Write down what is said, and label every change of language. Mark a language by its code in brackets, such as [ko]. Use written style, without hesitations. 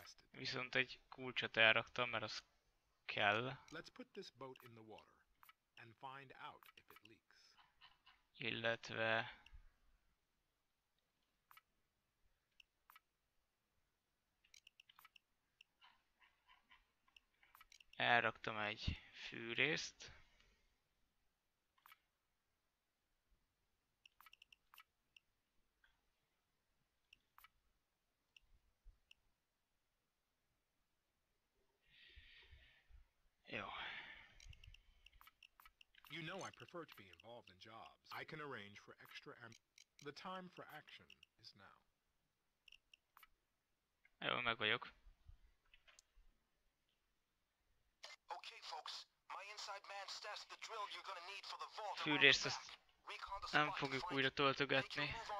[hu] Viszont egy kulcsot elraktam, mert az kell. [en] Let's put this boat in the water and find out if it leaks. [hu] Illetve elraktam egy fűrészt. [en] You know I prefer to be involved in jobs. I can arrange for extra the time for action is now. [hu] Jó, meg vagyok. [en] Okay, folks. My inside man stashed the drill you're gonna need for the vault. [hu] Fűrészt ezt nem fogjuk újra töltögetni.